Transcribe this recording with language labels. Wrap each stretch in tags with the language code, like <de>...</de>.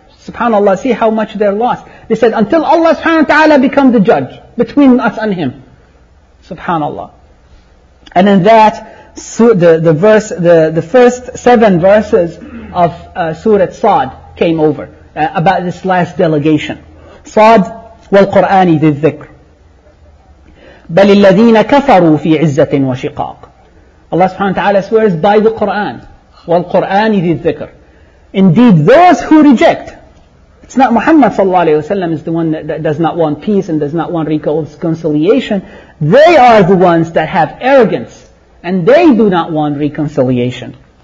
<en>Subhanallah, see how much they're lost. They said, until Allah subhanahu wa ta'ala become the judge between us and Him. Subhanallah. And in that, the first seven verses of Surah Sad came over about this last delegation.</en> <ar>Sad والقرآن ذي الذكر بل الذين كفروا في عزة وشقاق.</ar> <en>Allah subhanahu wa ta'ala swears by the Quran</en> <ar>والقرآن ذي الذكر.</ar> <en>Indeed, those who reject, it's not Muhammad sallallahu alayhi wa sallam is the one that does not want peace and does not want reconciliation. They are the ones that have arrogance and they do not want reconciliation.</en>